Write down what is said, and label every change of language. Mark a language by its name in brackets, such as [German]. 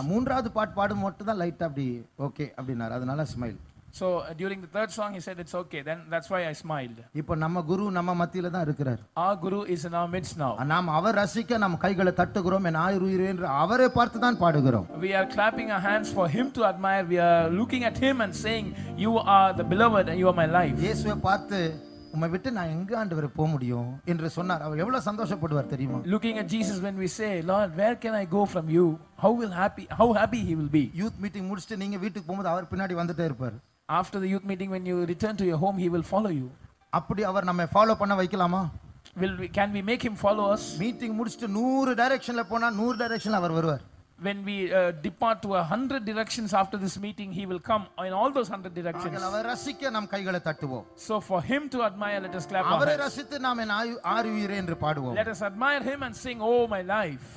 [Tamil] மூன்றாவது பாட்டு பாடும் மட்டும் தான் லைட்டா அப்படி ஓகே அப்படின்னாரு. அதனால smile. [English] So during the third song he said it's okay, then that's why I smiled. [Tamil] இப்போ நம்ம குரு நம்ம மத்தியில தான் இருக்கிறார். [English] Our guru is in our midst now. [Tamil] நாம் அவர் ரசிக்க நம் கைகளை தட்டுகிறோம். என் ஆயிரு இரேன்ற அவரே பார்த்து தான் பாடுகிறோம். [English] We are clapping our hands for him to admire. We are looking at him and saying you are the beloved and you are my life. [Tamil] இயேசுவை பார்த்து உம்மை விட்டு நான் எங்க ஆண்டவர் போக முடியும் என்று சொன்னார். அவர் எவ்வளவு சந்தோஷப்படுவார் தெரியுமா? [English] Looking at Jesus when we say Lord where can I go from you, how happy he will be. [Tamil] Youth meeting முடிச்சிட்டு நீங்க வீட்டுக்கு போகும்போது அவர் பின்னாடி வந்துட்டே இருப்பார். [English] After the youth meeting when you return to your home he will follow you. [Tamil] அப்படி அவர் நம்மை follow பண்ண வைக்கலாமா? [English] Can we make him follow us? [Tamil] Meeting முடிச்சிட்டு 100 டைரக்ஷன்ல போனா 100 டைரக்ஷன்ல அவர் வருவார். [English] When we depart to 100 directions after this meeting he will come in all those 100 directions. [Tamil] அவரை ரசிக்க நம் கைகளை தட்டுவோம். [English] So for him to admire let us clap. [Tamil] அவரை ரசித்து நாம் என் ஆருயிரே என்று பாடுவோம். [English] Let us admire him and sing oh my life.